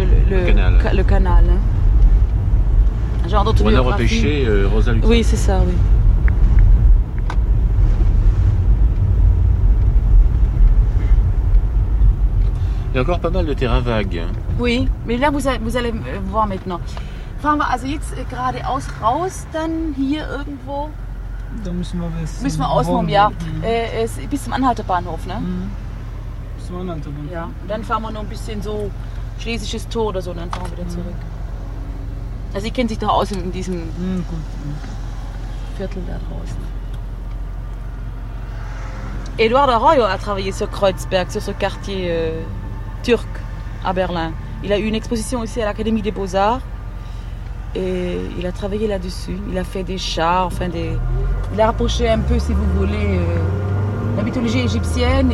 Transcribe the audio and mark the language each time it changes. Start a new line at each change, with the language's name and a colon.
French: le canal. Un genre d'autobiographie. On a repêché Rosa Luxembourg. Oui, c'est ça, oui. Il y a encore pas mal de terrain vague. Oui, mais là, vous allez voir maintenant.
German: fahren wir also jetzt geradeaus raus, dann hier irgendwo? Da müssen wir wissen. Müssen wir ausmachen, ja. Bis zum Anhalterbahnhof, ne? Mhm. Bis zum Anhalterbahnhof. Ja, und dann fahren wir noch ein bisschen so Schlesisches Tor oder so und dann fahren wir wieder zurück. Also, ich kenne sich doch aus in diesem Viertel da draußen.
French: Eduardo Arroyo a travaillé sur Kreuzberg, sur ce quartier turc à Berlin. Il a eu une exposition aussi à l'Académie des Beaux-Arts et il a travaillé là-dessus. Il a fait des chars, enfin des... Il a rapproché un peu, si vous voulez, la mythologie égyptienne.